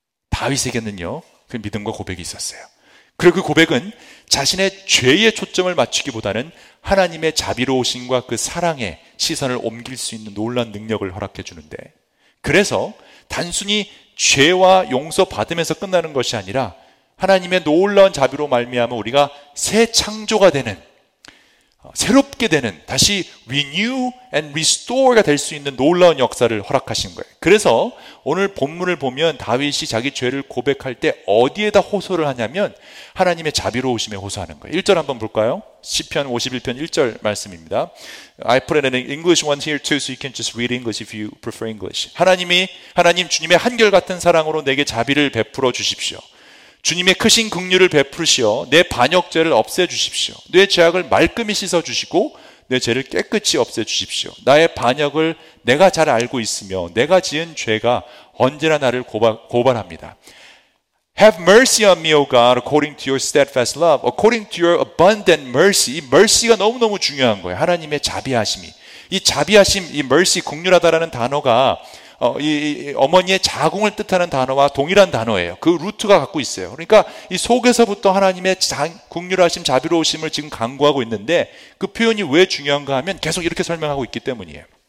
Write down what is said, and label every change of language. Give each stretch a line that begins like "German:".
Korean: 다윗에게는요, 그 믿음과 고백이 있었어요. 그리고 그 고백은 자신의 죄에 초점을 맞추기보다는 하나님의 자비로우심과 그 사랑의 시선을 옮길 수 있는 놀란 능력을 허락해 주는데, 그래서 단순히 죄와 용서받음에서 끝나는 것이 아니라 하나님의 놀라운 자비로 말미암아 우리가 새 창조가 되는, 새롭게 되는, 다시
English: renew and restore
Korean: 가 될 수 있는 놀라운 역사를 허락하신 거예요. 그래서 오늘 본문을 보면 다윗이 자기 죄를 고백할 때 어디에다 호소를 하냐면 하나님의 자비로우심에 호소하는 거예요. 1절 한번 볼까요? 시편 51편 1절 말씀입니다.
English: I put it in English one here too, so you can just read English if you prefer English.
Korean: 하나님 주님의 한결같은 사랑으로 내게 자비를 베풀어 주십시오. 주님의 크신 긍휼을 베푸시어 내 반역죄를 없애주십시오. 내 죄악을 말끔히 씻어주시고 내 죄를 깨끗이 없애주십시오. 나의 반역을 내가 잘 알고 있으며 내가 지은 죄가 언제나 나를 고발합니다.
English: Have mercy on me, O God, according to your steadfast love, according to your abundant mercy.
Korean: 이 mercy가 너무너무 중요한 거예요. 하나님의 자비하심이. 이 자비하심, 이 mercy, 긍휼하다라는 단어가 어머니의 자궁을 뜻하는 단어와 동일한 단어예요. 그 루트가 갖고 있어요. 그러니까 이 속에서부터 하나님의 긍휼하심, 자비로우심을 지금 강구하고 있는데 그 표현이 왜 중요한가 하면 계속 이렇게 설명하고 있기 때문이에요.